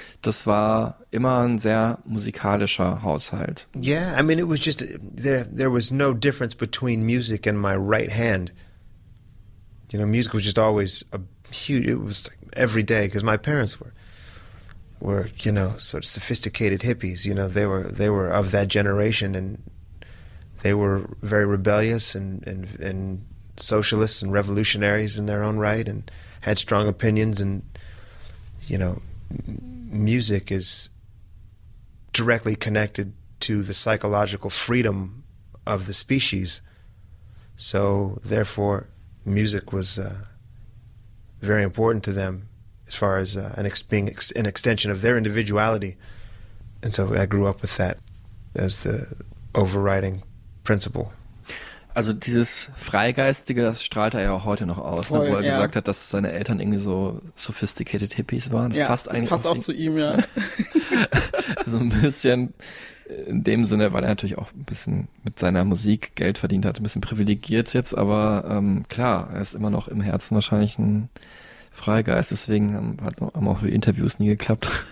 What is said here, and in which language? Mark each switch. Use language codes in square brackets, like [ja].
[de] Das war immer ein sehr musikalischer Haushalt. [en] Yeah, I mean, it was just, there was no difference between music and my right hand. You know, music was just always a huge, it was like every day, because my parents were, you know, sort of sophisticated hippies. You know, they were of that generation and they were very rebellious and socialists and revolutionaries in their own right and had strong opinions. And, you know, music is directly connected to the psychological freedom of the species. So therefore, music was very important to them as far as an extension of their individuality. And so I grew up with that as the overriding principle. [de] Also dieses Freigeistige, das strahlt er ja auch heute noch aus, voll, ne? Wo er gesagt hat, dass seine Eltern irgendwie so sophisticated Hippies waren. Das passt eigentlich. Passt auch zu ihm, ja. So ein bisschen in dem Sinne, weil er natürlich auch ein bisschen mit seiner Musik Geld verdient hat, ein bisschen privilegiert jetzt, aber klar, er ist immer noch im Herzen wahrscheinlich ein Freigeist, deswegen haben auch die Interviews nie geklappt.